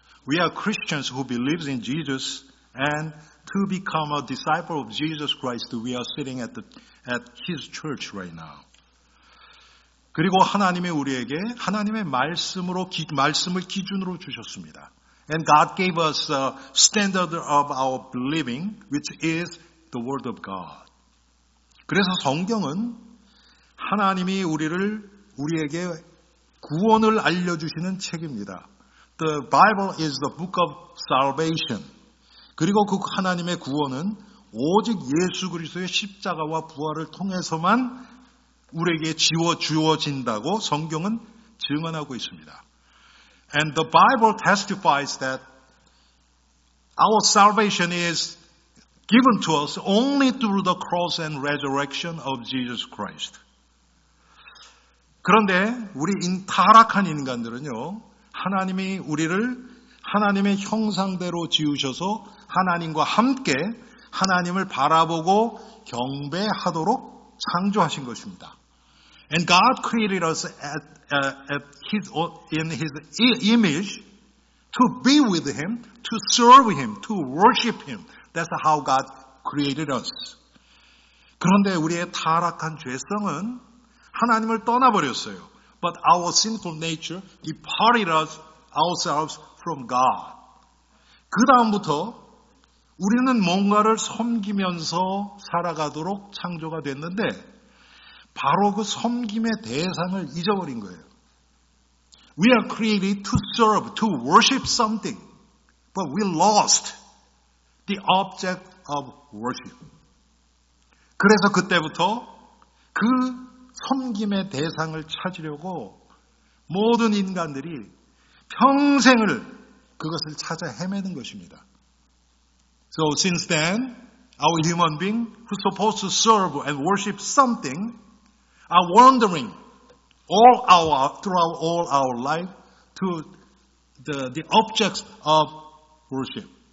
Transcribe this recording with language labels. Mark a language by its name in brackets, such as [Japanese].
[English] We are Christians who believes in Jesus and to become a disciple of Jesus Christ, we are sitting at his church right now. [Korean] 그리고 하나님이 우리에게 하나님의 말씀을 기준으로 주셨습니다. [English] And God gave us a standard of our believing, which is the word of God. [Korean] 그래서 성경은 하나님이 우리에게 구원을 알려주시는 책입니다. [English] The Bible is the book of salvation. [Korean] 그리고 그 하나님의 구원은 오직 예수 그리스도의 십자가와 부활을 통해서만 우리에게 주어진다고 성경은 증언하고 있습니다. [English] And the Bible testifies that our salvation is given to us only through the cross and resurrection of Jesus Christ. [Korean] 그런데 우리 타락한 인간들은요, 하나님이 우리를 하나님의 형상대로 지으셔서 하나님과 함께 하나님을 바라보고 경배하도록 창조하신 것입니다. [English] And God created us in His image to be with Him, to serve Him, to worship Him. That's how God created us. [Korean] 그런데 우리의 타락한 죄성은 하나님을 떠나버렸어요. [English] But our sinful nature departed us ourselves from God. [Korean] 그 다음부터 우리는 뭔가를 섬기면서 살아가도록 창조가 됐는데 바로 그 섬김의 대상을 잊어버린 거예요. [English] We are created to serve, to worship something. But we lost the object of worship. [Korean] 그래서 그때부터 그 섬김의 대상을 찾으려고 모든 인간들이 평생을 그것을 찾아 헤매는 것입니다. [English] So since then, our human being who's supposed to serve and worship something are wandering throughout all our life to the objects of worship.